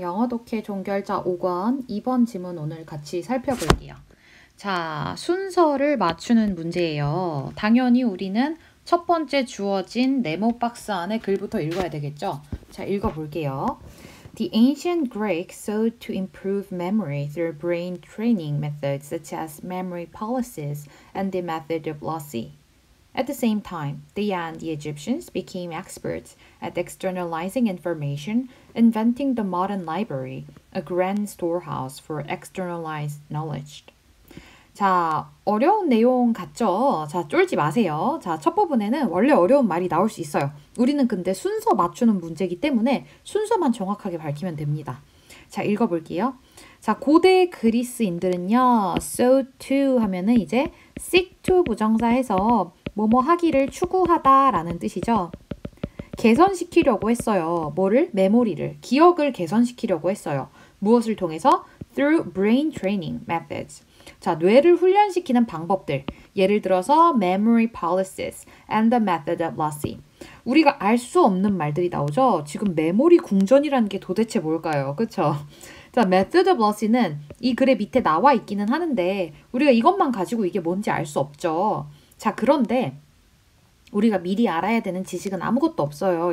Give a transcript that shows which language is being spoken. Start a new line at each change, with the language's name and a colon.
Korean: 영어독해 종결자 5권 2번 지문 오늘 같이 살펴볼게요. 자, 순서를 맞추는 문제예요. 당연히 우리는 첫 번째 주어진 네모 박스 안에 글부터 읽어야 되겠죠? 자, 읽어볼게요.
English: The ancient Greeks sought to improve memory through brain training methods such as memory palaces and the method of Lossy. At the same time, they and the Egyptians became experts at externalizing information, inventing the modern library, a grand storehouse for externalized knowledge.
Korean: 자, 어려운 내용 같죠? 자, 쫄지 마세요. 자, 첫 부분에는 원래 어려운 말이 나올 수 있어요. 우리는 근데 순서 맞추는 문제이기 때문에 순서만 정확하게 밝히면 됩니다. 자, 읽어볼게요. 자, 고대 그리스인들은요, so to 하면은 이제 seek to 부정사에서 뭐뭐 하기를 추구하다라는 뜻이죠. 개선시키려고 했어요. 뭐를? 메모리를. 기억을 개선시키려고 했어요. 무엇을 통해서?
English: Through brain training methods.
Korean: 자, 뇌를 훈련시키는 방법들. 예를 들어서
English: memory palaces and the method of Lossy.
Korean: 우리가 알수 없는 말들이 나오죠. 지금 메모리 궁전이라는 게 도대체 뭘까요? 그쵸? 자, method of Lossy는 이 글의 밑에 나와 있기는 하는데 우리가 이것만 가지고 이게 뭔지 알수 없죠. 자, 그런데 우리가 미리 알아야 되는 지식은 아무것도 없어요.